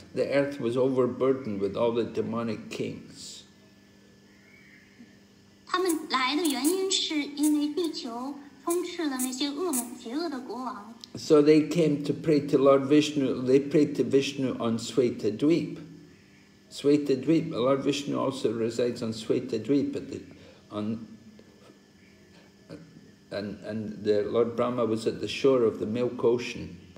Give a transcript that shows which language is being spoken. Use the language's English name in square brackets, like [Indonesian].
[English] The earth was overburdened with all the demonic kings. [Chinese] 他们来的原因是因为地球充斥了那些恶魔、邪恶的国王。 [English] So they came to pray to Lord Vishnu. They prayed to Vishnu on Sweta Dweep. Sweta Dweep. Lord Vishnu also resides on Sweta Dweep And the Lord Brahma was at the shore of the Milk Ocean.